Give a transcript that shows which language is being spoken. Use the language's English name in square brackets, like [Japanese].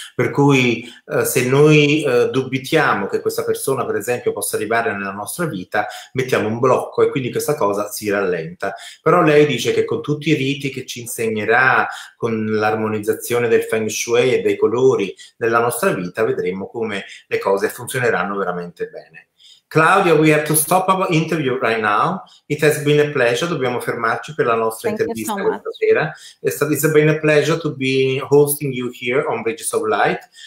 [Italian] Per cui se noi dubitiamo che questa persona, per esempio, possa arrivare nella nostra vita, mettiamo un blocco e quindi questa cosa si rallenta. Però lei dice che con tutti i riti che ci insegnerà, con l'armonizzazione del feng shui e dei colori della nostra vita, vedremo come le cose funzioneranno veramente bene. [English] Claudia, we have to stop our interview right now. It has been a pleasure. [Italian] Dobbiamo fermarci per la nostra intervista questa sera. [English] It's been a pleasure to be hosting you here on Bridges of Light.